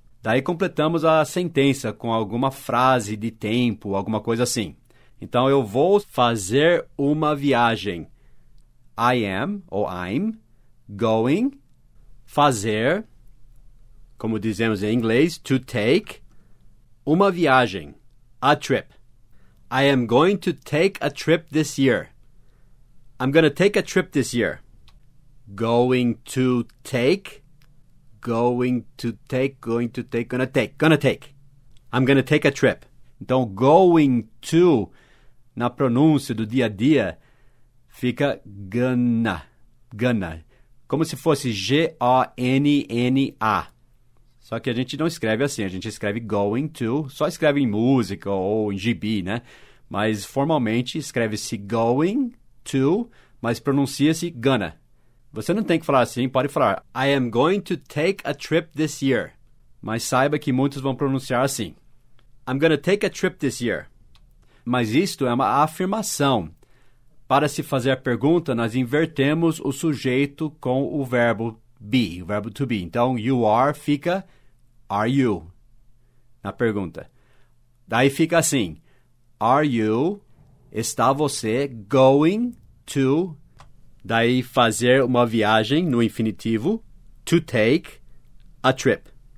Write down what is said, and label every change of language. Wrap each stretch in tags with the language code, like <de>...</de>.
<pt>Daí, completamos a sentença com alguma frase de tempo, alguma coisa assim. Então, eu vou fazer uma viagem, I am, ou I'm, going, fazer, como dizemos em inglês, to take, uma viagem, a trip.</pt> <en>I am going to take a trip this year. I'm going to take a trip this year. Going to take. I'm going to take a trip.</en> <pt>Então, going to, na pronúncia do dia a dia, fica gonna, gonna. Como se fosse G-O-N-N-A. Só que a gente não escreve assim, a gente escreve going to, só escreve em música ou em gibi, né? Mas formalmente escreve-se going to, mas pronuncia-se gonna. Você não tem que falar assim, pode falar I am going to take a trip this year. Mas saiba que muitos vão pronunciar assim.</pt> <en>I'm going to take a trip this year.</en> <pt>Mas isto é uma afirmação. Para se fazer a pergunta, nós invertemos o sujeito com o verbo be, o verbo to be. Então, you are fica are you na pergunta. Daí fica assim. Are you, está você, going to, daí fazer uma viagem no infinitivo, to take a trip.</pt>